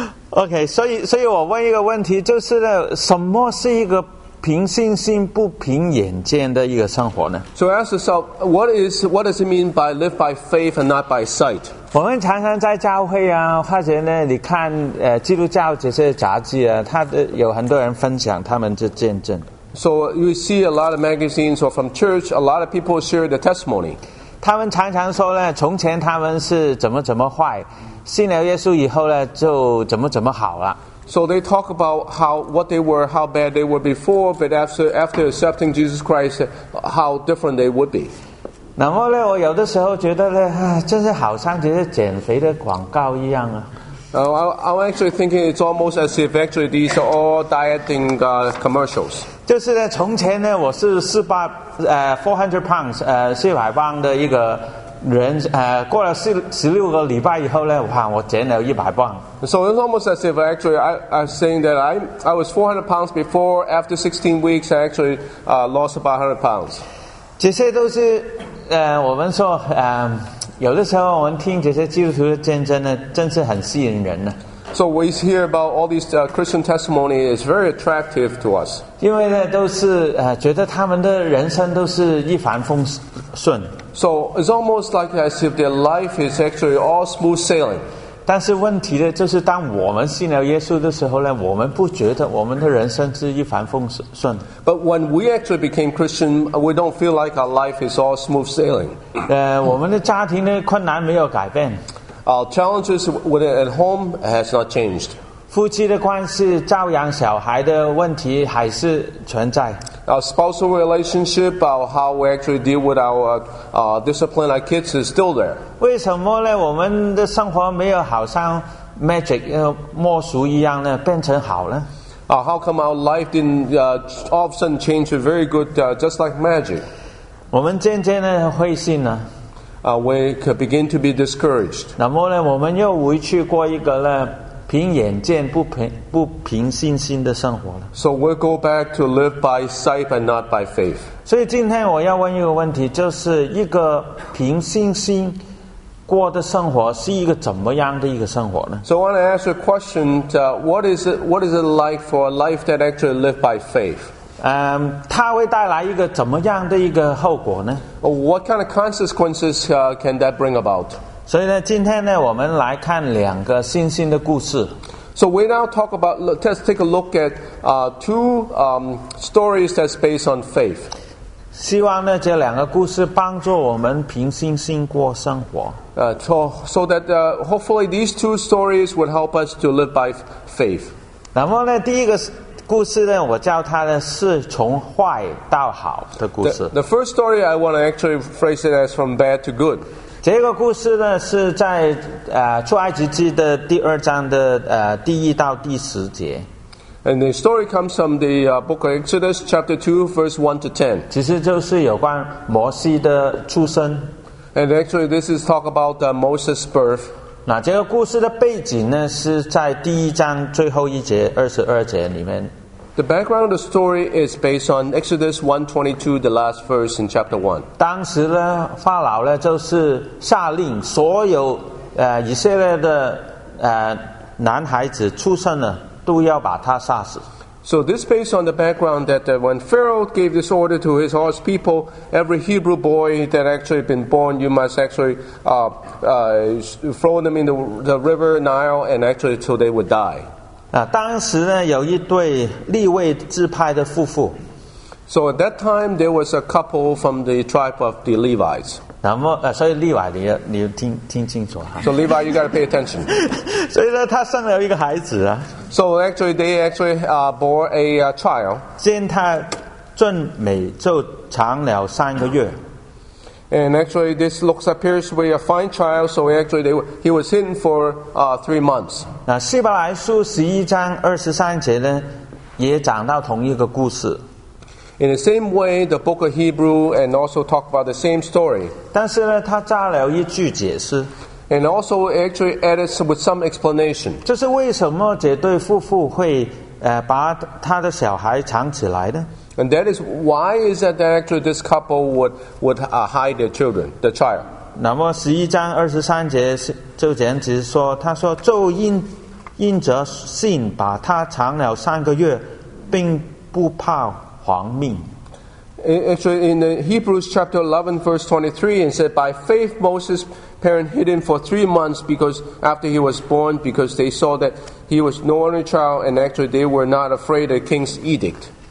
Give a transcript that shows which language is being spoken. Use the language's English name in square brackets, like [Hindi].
[Chinese] Okay, 所以我问一个问题，就是呢，什么是一个凭信心不凭眼见的一个生活呢？ [English] So ask yourself, what does it mean by live by faith and not by sight? [Chinese] 我们常常在教会啊，发觉呢，你看基督教这些杂志啊，它有很多人分享他们的见证。 [English] So you see a lot of magazines or from church, a lot of people share the testimony. [Chinese] 他们常常说呢，从前他们是怎么怎么坏，信了耶稣以后呢，就怎么怎么好了。 [English] So they talk about how bad they were before, but after accepting Jesus Christ, how different they would be. [Chinese] 那么呢，我有的时候觉得呢，真是好像这些减肥的广告一样啊。 [English] I'm actually thinking it's almost as if actually these are all dieting commercials. [Chinese] 就是呢，从前呢，我是 [English] 400 pounds [Chinese] 400磅的一个人，过了16个礼拜以后呢，哇，我减了100磅。 [English] So it's almost as if actually I'm saying that I was 400 pounds before. After 16 weeks, I actually lost about 100 pounds. [Chinese] 这些都是我们说有的时候我们听这些基督徒的见证呢，真是很吸引人呢。 [English] So we hear about all these Christian testimony is very attractive to us. [Chinese] 因为呢，都是觉得他们的人生都是一帆风顺。 [English] So it's almost like as if their life is actually all smooth sailing. [Chinese] 但是问题呢，就是当我们信了耶稣的时候呢，我们不觉得我们的人生是一帆风顺。 [English] But when we actually became Christian, we don't feel like our life is all smooth sailing. [Chinese] 我们的家庭的困难没有改变。 [English] Our challenges within at home has not changed. [Chinese] 夫妻的关系、照养小孩的问题还是存在。 [English] Our spousal relationship, how we actually deal with our discipline our kids is still there. [Chinese] 为什么呢？我们的生活没有好像 magic 魔术一样呢，变成好呢？ [English] How come our life didn't all of a sudden change to very good, just like magic? [Chinese] 我们渐渐的灰心呢。 [English] We could begin to be discouraged. [Chinese] 那么呢，我们又回去过一个呢。凭眼见不凭信心的生活了。 [English] So we'll go back to live by sight and not by faith. [Chinese] 所以今天我要问一个问题，就是一个凭信心过的生活是一个怎么样的一个生活呢？ [English] So I want to ask a question, what is it like for a life that actually live by faith? [Chinese] 它会带来一个怎么样的一个后果呢？ [English] What kind of consequences can that bring about? [Chinese] 所以呢，今天呢，我们来看两个信心的故事。 [English] So we now talk about, let's take a look at two stories that's based on faith. [Chinese] 希望呢，这两个故事帮助我们凭信心过生活。 [English] So that hopefully these two stories would help us to live by faith. [Chinese] 那么呢，第一个故事呢，我叫它呢，是从坏到好的故事。 [English] The first story I want to actually phrase it as from bad to good. [Chinese] 这个故事呢，是在出埃及记的第二章的第一到第十节。 [English] And the story comes from the book of Exodus, chapter 2, verse 1 to 10. [Chinese] 其实就是有关摩西的出生。 [English] And actually, this is talk about Moses' birth. [Chinese] 那这个故事的背景呢，是在第一章最后一节22节里面。 [English] The background of the story is based on Exodus 1:22, the last verse in chapter 1. [Chinese] 当时呢，法老呢就是下令所有以色列的男孩子出生呢都要把他杀死。 [English] So this is based on the background that when Pharaoh gave this order to his own people, every Hebrew boy that actually been born, you must actually throw them in the river Nile and actually till they would die. [Chinese] 当时呢，有一对利未支派的夫妇。 [English] So at that time there was a couple from the tribe of the Levites. [Chinese] 那么所以利未你听清楚哈。 [English] So Levi, you got to pay attention. [Chinese] 所以呢，他生了一个孩子啊。 [English] So actually they actually bore a child. [Chinese] 见他俊美就长了三个月。 [English] And actually, this looks appears to be a fine child, so actually, he was hidden for 3 months. [Chinese] 那希伯来书十一章二十三节呢，也讲到同一个故事。 [English] In the same way, the book of Hebrew and also talk about the same story. [Chinese] 但是呢，他加了一句解释。 [English] And also actually added with some explanation. [Chinese] 这是为什么这对夫妇会把他的小孩藏起来呢？ [English] And that is why is that actually this couple would hide their children, the child. [Chinese] 那么十一章二十三节就简直说，他说就因着信把他藏了三个月，并不怕亡命。 [English] Actually, in Hebrews chapter 11, verse 23, it said, "By faith Moses' parents hid him for 3 months because after he was born, because they saw that he was no ordinary child, and actually they were not afraid of the king's edict."